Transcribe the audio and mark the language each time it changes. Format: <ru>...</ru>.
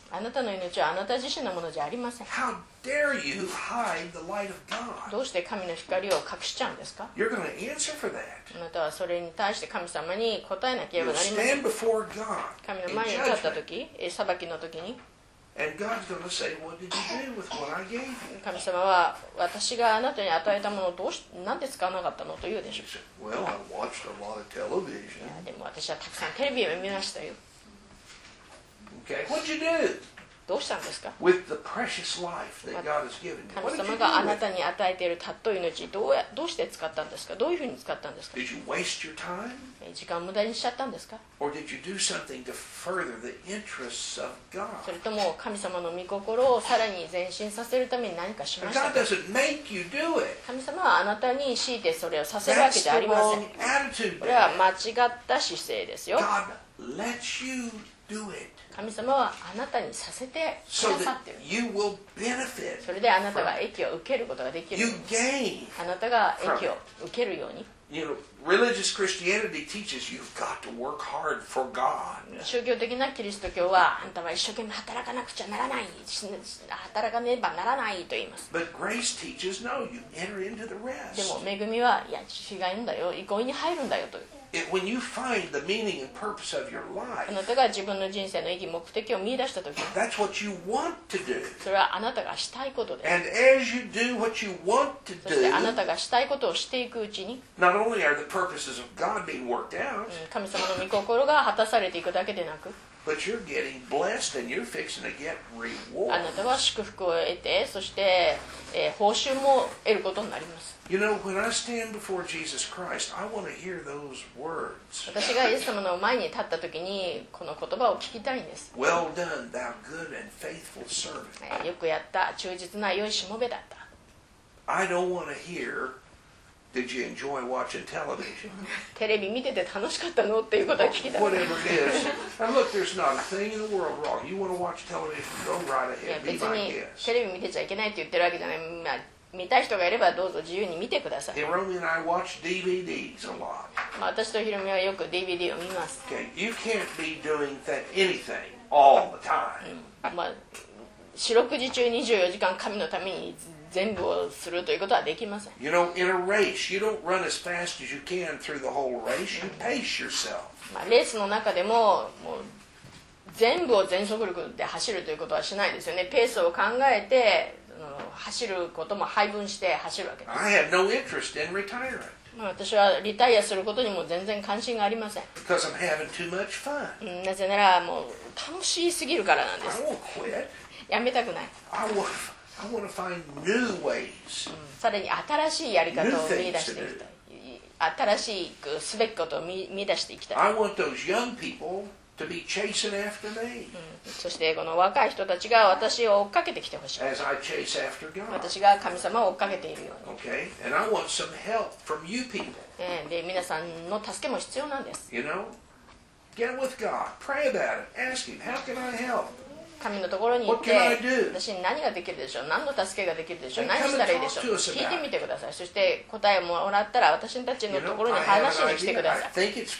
<ja>あなたの命はあなた自身のものじゃありません。</ja> <en>How dare you hide the light of God?</en> <ja>どうして神の光を隠しちゃうんですか？</ja> <en>You're going to answer for that.</en> <ja>あなたはそれに対して神様に答えなければなりません。</ja> <en>You stand before God.</en> <ja>神の前に立った時、裁きの時に。</ja> <en>And God's going to say, "What did you do with what I gave you?"</en> <ja>神様は私があなたに与えたものをどうし、なんで使わなかったのと言うでしょう。</ja> <en>Well, I watched a lot of television.</en> <ja>でも私はたくさんテレビを見ましたよ。</ja> <en>Okay. What'd you do?</en> <ja>どうしたんですか？</ja> <en>With the precious life that God has given you.</en> <ja>神様があなたに与えているたっとい命、どうして使ったんですか？どういうふうに使ったんですか？</ja> <en>Did you waste your time?</en> <ja>時間を無駄にしちゃったんですか？</ja> <en>Or did you do something to further the interests of God?</en> <ja>それとも神様の御心をさらに前進させるために何かしましたか？</ja> <en>God doesn't make you do it.</en> <ja>神様はあなたに強いてそれをさせるわけじゃありません。</ja> <en>That's the wrong attitude.</en> <ja>これは間違った姿勢ですよ。</ja> <en>God lets you do it.</en> <ja>神様はあなたにさせてくださっている。それであなたが益を受けることができる。あなたが益を受けるように。</ja> <en>Religious Christianity teaches you've got to work hard for God.</en> <ja>宗教的なキリスト教はあなたは一生懸命働かなくちゃならない、働かねばならないと言います。</ja> <en>But grace teaches, no, you enter into the rest.</en> <ja>でも恵みは、いや違うんだよ、憩いに入るんだよと。</ja> <en>When you find the meaning and purpose of your life,</en> <ja>あなたが自分の人生の意義、目的を見出したとき、</ja> <en>that's what you want to do.</en> <ja>それはあなたがしたいことです。</ja> <en>And as you do what you want to do,</en> <ja>そしてあなたがしたいことをしていくうちに、</ja> <en>not only are the purposes of God being worked out,</en> <ja>神様の御心が果たされていくだけでなく、</ja> <en>but you're getting blessed and you're fixing to get rewards.</en> <ja>あなたは祝福を得て、そして、報酬も得ることになります。</ja> <en>You know, when I stand before Jesus Christ, I want to hear those words.</en> <ja>私がイエス様の前に立った時にこの言葉を聞きたいんです。</ja> <en>Well done, thou good and faithful servant.</en> <ja>よくやった、忠実な良いしもべだった。</ja> <en>I don't want to hear, did you enjoy watching television?</en> <ja>テレビ見てて楽しかったのっていうことは聞きたい。</ja> <en>Whatever it is. And look, there's not a thing in the world wrong. You want to watch television, go right ahead, be my guest.</en> <ja>別にテレビ見てちゃいけないって言ってるわけじゃない。見たい人がいればどうぞ自由に見てください。</ja> <en>Hiromi and I watch DVDs a lot.</en> <ja>まあ私とヒロミはよく DVD を見ます。</ja> <en>Okay. You can't be doing anything all the time.</en> <ja>まあ四六時中24時間神のために全部をするということはできません。</ja> <en>You know, in a race, you don't run as fast as you can through the whole race. You pace yourself.</en> <ja>まあレースの中でも、もう全部を全速力で走るということはしないですよね。ペースを考えて走ることも配分して走るわけです。</ja> <en>I have no interest in retiring.</en> <ja>まあ私はリタイアすることにも全然関心がありません。</ja> <en>Because I'm having too much fun.</en> <ja>なぜならもう楽しすぎるからなんです。</ja> <en>I won't quit.</en> <ja>やめたくない。</ja> <en>I want to find new ways.</en> <ja>さらに新しいやり方を見出していきたい。新しくすべきことを見出していきたい。</ja> <en>I want those young people to be chasing after me.</en> <ja>そしてこの若い人たちが私を追っかけてきてほしい。</ja> <en>As I chase after God.</en> <ja>私が神様を追っかけているように。</ja> <en>Okay. And I want some help from you people.</en> <ja>で、皆さんの助けも必要なんです。</ja> <en>You know, get with God. Pray about it. Ask Him, how can I help?</en> <ja>神のところに行って私に何ができるでしょう、何の助けができるでしょう、何したらいいでしょう、聞いてみてください。そして答えもらったら私たちのところに話しに来てください。</ja>